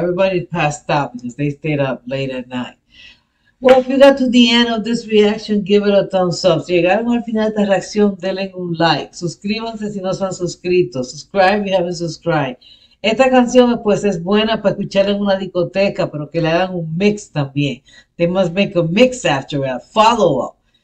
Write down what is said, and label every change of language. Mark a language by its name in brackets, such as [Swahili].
[English] Everybody passed out because they stayed up late at night. Well, if you got to the end of this reaction, give it a thumbs up. [Spanish] Si llegaron al final de esta reacción, denle un like. Suscríbanse si no se han suscrito. [English] Subscribe if you haven't subscribed. [Spanish] Esta canción, pues, es buena para escucharla en una discoteca, pero que le hagan un mix también. [English] They must make a mix after a follow up.